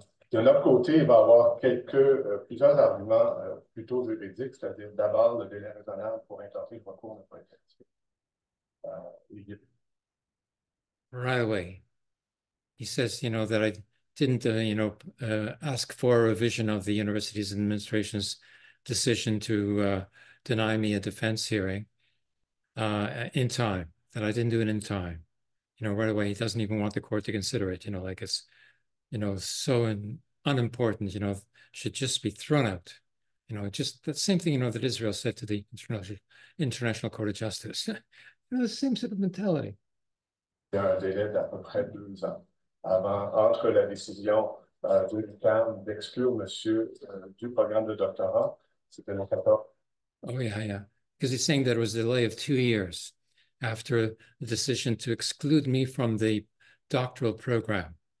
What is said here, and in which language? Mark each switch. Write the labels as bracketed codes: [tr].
[fr] D'un autre côté, il va y avoir plusieurs arguments plutôt juridiques, c'est-à-dire d'abord le délai raisonnable pour intenter le recours n'a pas été [en] Right away, he says, you know, that I didn't, you know, ask for a revision of the university's administration's decision to deny me a defense hearing in time, that I didn't do it in time. You know, right away, he doesn't even want the court to consider it, you know, like it's, you know, so unimportant, you know, should just be thrown out. You know, just the same thing, you know, that Israel said to the International Court of Justice. You know, the same sort of mentality. [fr] Il y a un délai d'à peu près 2 ans avant, entre la décision de l'UQAM d'exclure monsieur du programme de doctorat, c'était le 14. [en] Oh, yeah, yeah. Because he's saying that it was a delay of 2 years after the decision to exclude me from the doctoral program.